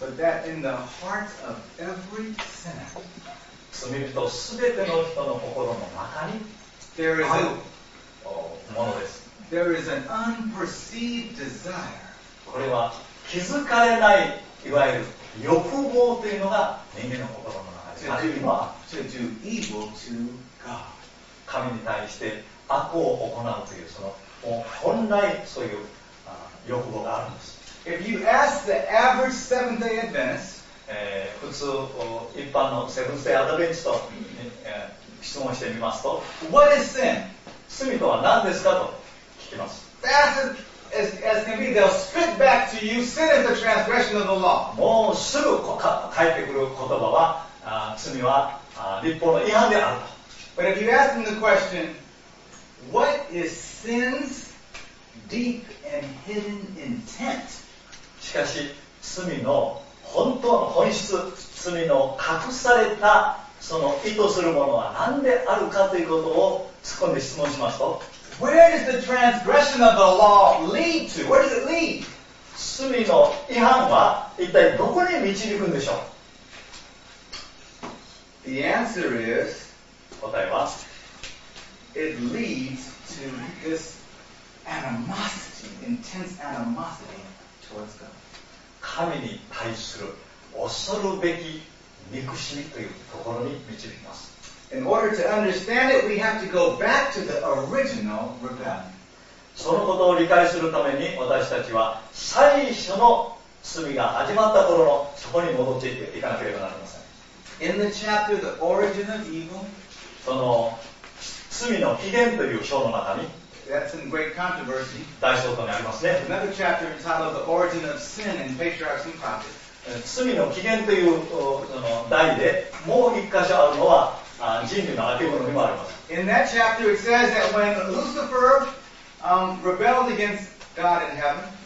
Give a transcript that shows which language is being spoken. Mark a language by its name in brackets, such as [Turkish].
[English] But that in the heart of every sinner, [Japanese] 罪人全ての人の心の中に [English] there is [Japanese] あるものです。 [English] There is an unperceived desire. [Japanese] これは気づかれない、いわゆる欲望というのが人間の心の中にあるのは、 [English] to do evil to God. [Japanese] 神に対して悪を行うというその本来そういう欲望があるんです。 [English] If you ask the average Seventh Day Adventist, [Japanese] 普通一般のセブンス・デイ・アドベンチスト質問してみますと、 [English] What is sin? [Japanese] 罪とは何ですかと聞きます。 [English] As can be, they'll spit back to you, sin is the transgression of the law. [Japanese] もうすぐ返ってくる言葉は、罪は立法の違反であると。 [English] But if you ask them the question, what is sin's deep and hidden intent? [Japanese] しかし、罪の本当の本質、罪の隠されたその意図するものは何であるかということを突っ込んで質問しますと、 [English] Where does the transgression of the law lead to? Where does it lead? [Japanese] 罪の違反は一体どこに導くんでしょう? [English] The answer is, [Japanese] 答えは、 [English] It leads to this animosity, intense animosity towards God. [Japanese] 神に対する恐るべき憎しみというところに導きます。 [English] In order to understand it, we have to go back to the original rebellion. [Japanese] そのことを理解するために私たちは最初の罪が始まった頃のそこに戻っていかなければなりません。 [English] In the chapter, the origin of evil. [Japanese] その罪の起源という章の中に [English] That's in great controversy. [Japanese] 大争点にありますね。 [English] Another chapter entitled The Origin of Sin and Patriarchs and Prophets. [Japanese] 罪の起源というその題でもう一箇所あるのは人類の諦めにもあります。 [English] In that chapter it says that when Lucifer rebelled against God in heaven,